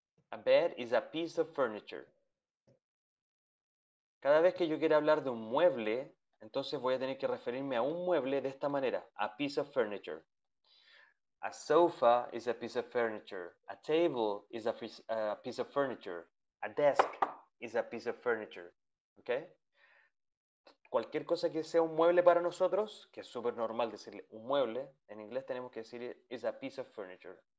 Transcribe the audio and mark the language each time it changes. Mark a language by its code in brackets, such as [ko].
[en] A bed is a piece of furniture. [es] Cada vez que yo quiera hablar de un mueble, entonces voy a tener que referirme a un mueble de esta manera. [en] A piece of furniture. A sofa is a piece of furniture. A table is a piece of furniture. A desk is a piece of furniture. [es] ¿Ok? Cualquier cosa que sea un mueble para nosotros, que es súper normal decirle un mueble, en inglés tenemos que decir [en] is a piece of furniture.